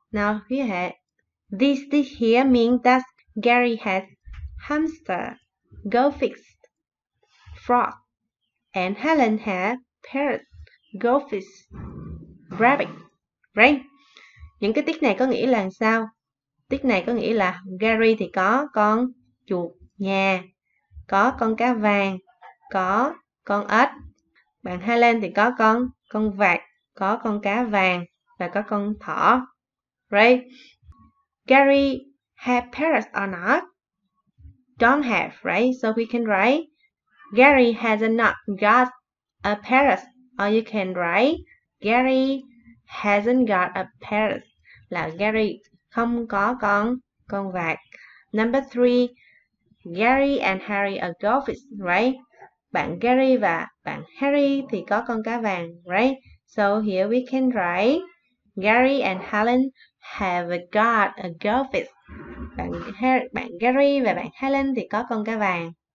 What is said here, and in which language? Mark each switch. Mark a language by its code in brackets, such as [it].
[en] Now, we have this here means that Gary has hamster, goldfish, frog, and Helen has parrot, goldfish, rabbit. Right. [vi] Những cái tích này có nghĩa là sao? Tích này có nghĩa là Gary thì có con chuột nhà, có con cá vàng, có con ếch. Bạn Helen thì có con vạc, có con cá vàng và có con thỏ. [en] Right. Gary have parrots or not? Don't have, right? So we can write Gary has not got a parrot. Or you can write Gary hasn't got a parrot. [vi] Là Gary không có con vạc. [en] Number three, Gary and Harry are goldfish, right? [vi] Bạn Gary và bạn Harry thì có con cá vàng, [en] right? So here we can write Gary and Helen have got a goldfish. [vi] Bạn Gary và bạn Helen thì có con cá vàng.